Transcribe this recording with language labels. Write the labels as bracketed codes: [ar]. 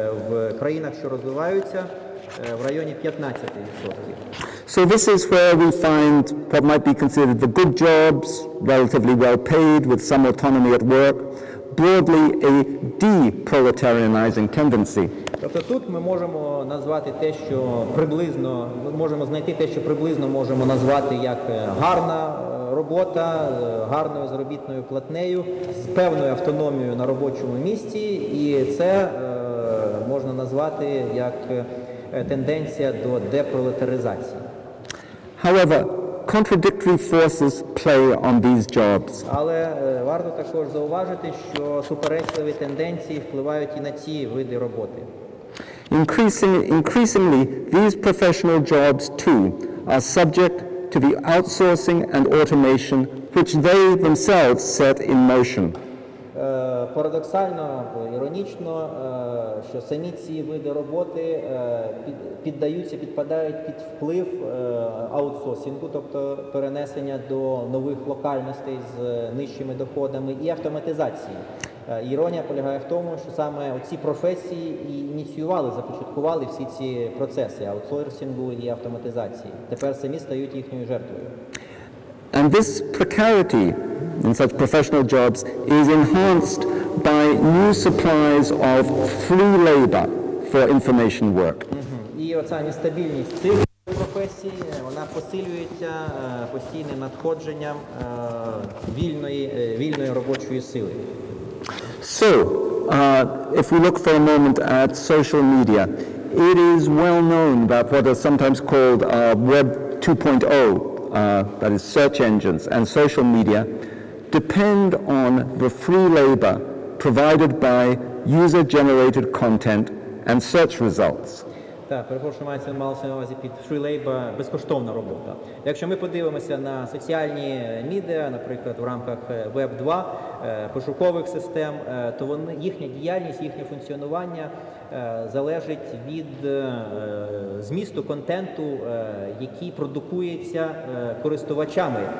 [uk] В країнах, що розвиваються, в районі 15%. [en] So this is where we find what might be considered the good jobs, relatively well paid, with some autonomy at work, broadly a de-proletarianizing tendency. [uk] Тобто тут ми можемо назвати те, що приблизно, ми можемо знайти те, що приблизно можемо назвати як гарна робота, гарною заробітною платнею, з певною автономією на робочому місці, і це можна назвати як тенденція до депролетаризації. [en] However, contradictory forces play on these jobs. [uk] Але варто також зауважити, що суперечливі тенденції впливають і на ці види роботи. [en] Increasingly, these professional jobs too are subject to the outsourcing and automation which they themselves set in motion. [uk] Парадоксально, іронічно, що самі ці види роботи підпадають під вплив аутсорсингу, тобто перенесення до нових локальностей з нижчими доходами і автоматизації. Іронія полягає в тому, що саме ці професії і ініціювали, започаткували всі ці процеси аутсорсингу і автоматизації. Тепер самі стають їхньою жертвою. [en] And this precarity in such professional jobs is enhanced by new supplies of free labor for information work. [uk] І оця нестабільність цих професій, вона посилюється постійним надходженням вільної робочої сили. [en] So, if we look for a moment at social media, it is well known that what are sometimes called Web 2.0, that is search engines and social media, depend on the free labor provided by user-generated content and search results. [uk] Так, перепрошую, мається на увазі під [en] free labor [uk] безкоштовна робота. Якщо ми подивимося на соціальні медіа, наприклад, в рамках Web 2, пошукових систем, то їхня діяльність, їхнє функціонування залежить від змісту контенту, який продукується користувачами.